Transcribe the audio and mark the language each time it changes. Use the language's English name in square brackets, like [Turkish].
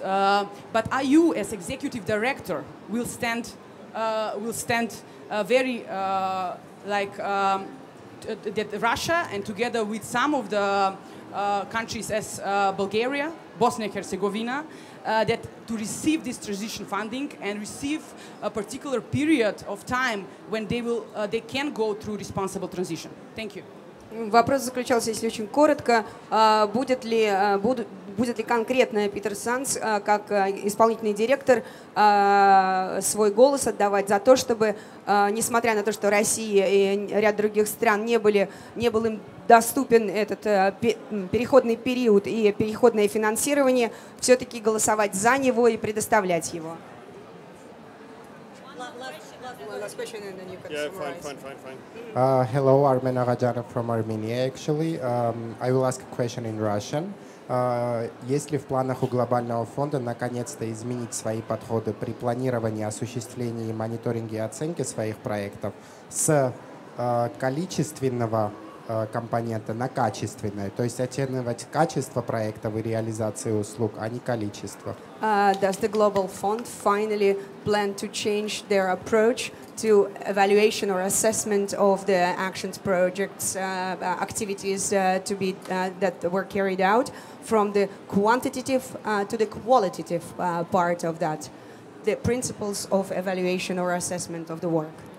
[English] But are you, as executive director, will stand that Russia and together with some of the countries as Bulgaria, Bosnia-Herzegovina, that to receive this transition funding and receive a particular period of time when they will they can go through responsible transition. Thank you. [Russian] Вопрос заключался, если очень коротко, будет ли конкретно Питер Санс как исполнительный директор свой голос отдавать за то, чтобы, несмотря на то, что Россия и ряд других стран не был им доступен этот переходный период и переходное финансирование, все-таки голосовать за него и предоставлять его. [English] Hello, Armen Agajanov from Armenia, actually. I will ask a question in Russian. [Russian] Есть ли в планах у глобального фонда наконец-то изменить свои подходы при планировании, осуществлении, мониторинге и оценке своих проектов с количественного компонента на качественное, то есть оценивать качество проектов и реализации услуг, а не количество? [English] Does the Global Fund finally plan to change their approach to evaluation or assessment of the actions, projects, activities to be that were carried out from the quantitative to the qualitative part of that, the principles of evaluation or assessment of the work?